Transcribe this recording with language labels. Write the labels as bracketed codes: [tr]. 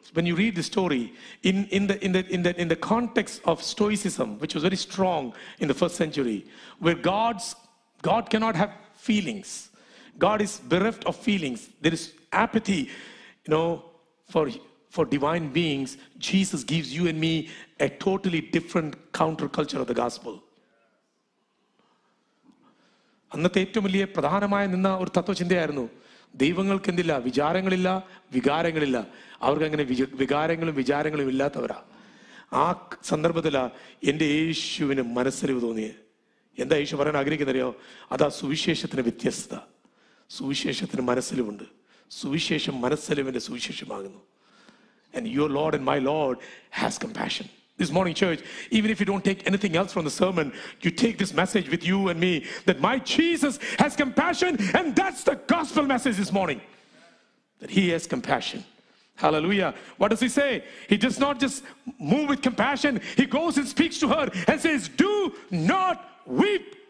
[en] When you read the story in the context of Stoicism, which was very strong in the first century, where God cannot have feelings, God is bereft of feelings, there is apathy, you know, for divine beings. Jesus gives you and me a totally different counterculture of the gospel. [ml] അന്നത്തെ ഏറ്റവും വലിയ പ്രധാനമായ നിന്ന ഒരു തത്വചിന്തയായിരുന്നു, ദൈവങ്ങൾക്ക് എന്തില്ല, വിചാരങ്ങളില്ല, വികാരങ്ങളില്ല. അവർക്ക് അങ്ങനെ വികാരങ്ങളും വിചാരങ്ങളും ഇല്ലാത്തവരാ. ആ സന്ദർഭത്തിലാണ് എൻ്റെ യേശുവിന് മനസ്സറിവ് തോന്നിയത്. എന്താ യേശു പറയാൻ ആഗ്രഹിക്കുന്നറിയോ? അതാ സുവിശേഷത്തിന് വ്യത്യസ്തത. സുവിശേഷത്തിന് മനസ്സലിവുണ്ട്. സുവിശേഷം മനസ്സലിവിൻ്റെ സുവിശേഷമാകുന്നു. [en] And your lord and my lord has compassion. This morning, church, even if you don't take anything else from the sermon, you take this message with you and me, that my Jesus has compassion, and that's the gospel message this morning, that he has compassion. Hallelujah. What does he say? He does not just move with compassion. He goes and speaks to her and says, do not weep.